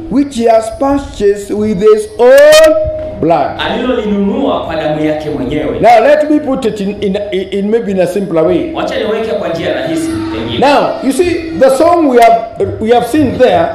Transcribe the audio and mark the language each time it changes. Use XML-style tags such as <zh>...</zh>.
<en>Which he has purchased with his own blood.</en> <sw>Alilolinunua kwa damu yake mwenyewe.</sw> <en>Now let me put it in maybe in a simpler way.</en> <sw>Wacha niweke kwa njia rahisi.</sw> <en>Now you see the song we have seen there.</en>